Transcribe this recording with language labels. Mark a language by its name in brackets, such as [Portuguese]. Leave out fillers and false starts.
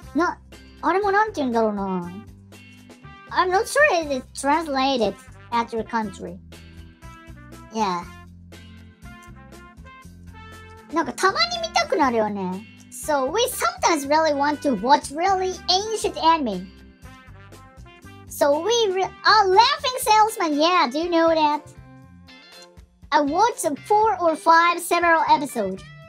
[Japanese] な、あれもなんて言うんだろうな。 [English] I'm not sure if it's translated at your country. Yeah. [Japanese] なんかたまに見たくなるよね。 [English] So, we sometimes really want to watch really ancient anime. So, we Laughing Salesman, yeah, do you know that? I watched 4 or 5 several episodes.